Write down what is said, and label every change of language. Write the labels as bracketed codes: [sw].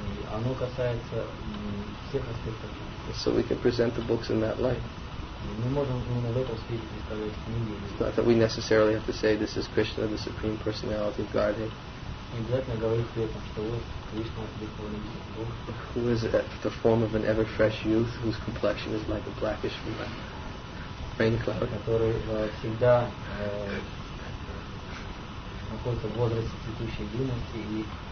[ru] Оно касается всех аспектов. [en] So we can present the books in that light. [ru] Мы можем именно в этом свете представлять книги. [en] It's not that we necessarily have to say this is Krishna, the Supreme Personality of Godhead. [ru] Не обязательно говорить при этом, что вот Кришна духовный Бог. [en] Who is the form of an ever fresh youth whose complexion is like a blackish rain cloud? [ru] Который всегда находится в возрасте цветущей юности и